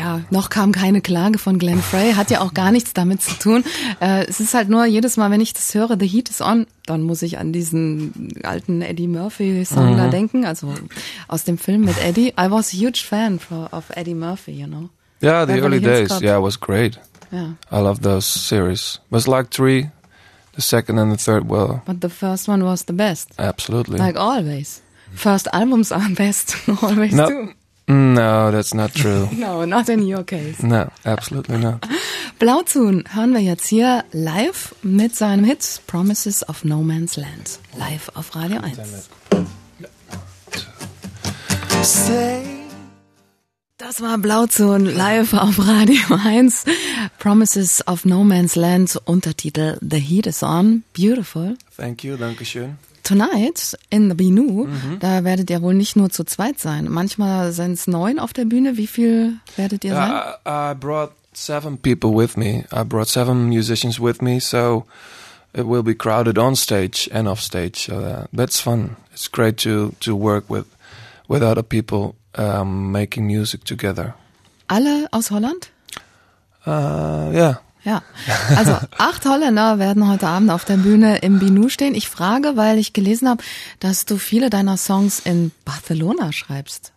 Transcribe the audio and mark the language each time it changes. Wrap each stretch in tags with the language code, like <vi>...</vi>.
<de>Noch kam keine Klage von Glenn Frey, hat ja auch gar nichts damit zu tun. Es ist halt nur jedes Mal, wenn ich das höre, The Heat Is On, dann muss ich an diesen alten Eddie Murphy Song da denken, also aus dem Film mit Eddie.</de> <en>I was a huge fan of Eddie Murphy, you know. Yeah, the early days. Yeah, it was great. Yeah. I love those series. It was like 3, the second and the third. Well, but the first one was the best. Absolutely. Like always. First albums are best, always no, too. No, that's not true. No, not in your case. No, absolutely not.</en> <de>Blauzun hören wir jetzt hier live mit seinem Hit Promises of No Man's Land. Live auf Radio 1. Say. Das war Blauzun live auf Radio 1. Promises of No Man's Land, Untertitel The Heat Is On. Beautiful.</de> <en>Thank you,</en> <de>danke schön.</de> <en>Tonight in the</en> <de>Binu, da werdet ihr wohl nicht nur zu zweit sein. Manchmal sind es 9 auf der Bühne. Wie viel werdet ihr sein?</de> <en>I brought 7 people with me. I brought 7 musicians with me. So it will be crowded on stage and off stage. That's fun. It's great to work with other people making music together.</en> <de>Alle aus Holland?</de> <en>Yeah.</en> <de>Ja, also 8 Holländer werden heute Abend auf der Bühne im Binu stehen. Ich frage, weil ich gelesen habe, dass du viele deiner Songs in Barcelona schreibst.</de>